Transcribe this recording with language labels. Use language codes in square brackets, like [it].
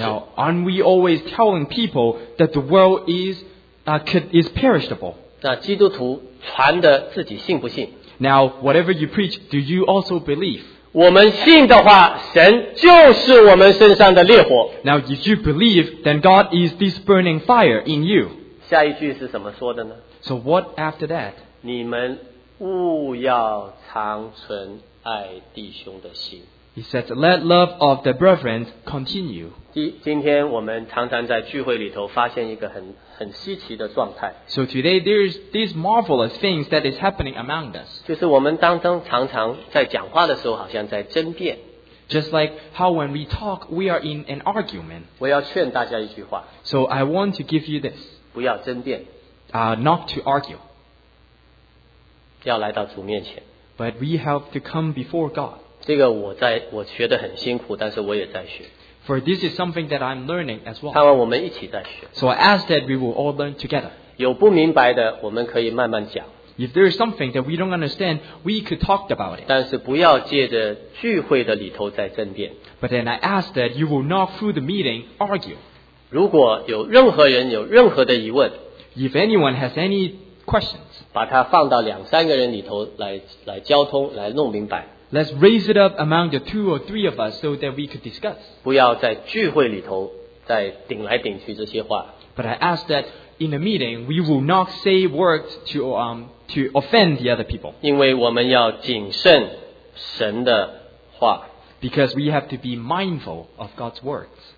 [en] Now aren't we always telling people that the world is perishable? [zh] 那基督徒传的自己信不信? [en] Now whatever you preach, do you also believe? [zh] 我们信的话, 神就是我们身上的烈火。 [en] Now if you believe, then God is this burning fire in you. [zh] 下一句是什么说的呢? [en] So what after that? [zh] 你们务要常存爱弟兄的心。 [en] He says, let love of the brethren continue. [zh] 今天我们常常在聚会里头发现一个很稀奇的状态。 [en] So today there is these marvelous things that is happening among us. [zh] 就是我们当中常常在讲话的时候好像在争辩。 [en] Just like how when we talk, we are in an argument. [zh] 我要劝大家一句话。 [en] So I want to give you this. [zh] 不要争辩。 [en] Not to argue. [zh] 要来到主面前。 [en] But we have to come before God. [zh] 这个我学得很辛苦,但是我也在学。 [en] For this is something that I'm learning as well. [zh] 盼望我们一起在学。 [en] So I ask that we will all learn together. [zh] 有不明白的,我们可以慢慢讲。 [en] If there is something that we don't understand, we could talk about it. [zh] 但是不要借着聚会的里头再争辩。 [en] But then I ask that you will not through the meeting argue. [zh] 如果有任何人有任何的疑问, [en] if anyone has any questions, [zh] 把它放到两三个人里头来交通,来弄明白。 [en] Let's raise it up among the two or three of us so that we could discuss. [zh] 不要在聚会里头再顶来顶去这些话。 [en] But I ask that in a meeting, we will not say words to offend the other people. [zh] 因为我们要谨慎神的话。 [en] Because we have to be mindful of God's words.